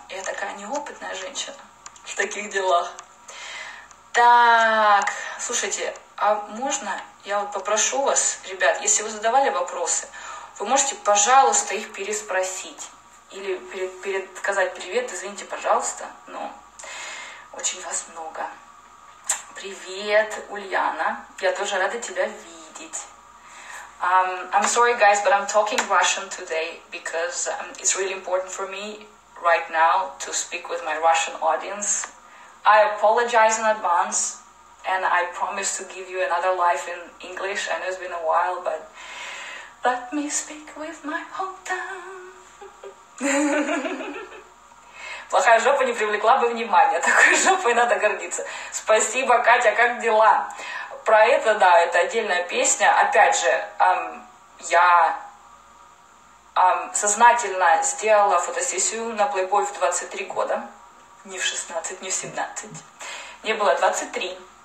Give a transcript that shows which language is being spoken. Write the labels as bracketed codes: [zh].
[ru] Я такая неопытная женщина в таких делах. Так, слушайте, а можно я вот попрошу вас, ребят, если вы задавали вопросы, вы можете, пожалуйста, их переспросить или сказать привет, извините, пожалуйста, но очень вас много. Привет, Ульяна, я тоже рада тебя видеть. [en] I'm sorry, guys, but I'm talking Russian today because it's really important for me right now to speak with my Russian audience. I apologize in advance, and I promise to give you another life in English. I know it's been a while, but let me speak with my hometown. [ru] Плохая жопа не привлекла бы внимания. Такой жопой надо гордиться. Спасибо, Катя, как дела? Про это, да, это отдельная песня. Опять же, я сознательно сделала фотосессию на Playboy в 23 года. Не в 16, не в 17. Мне было 23.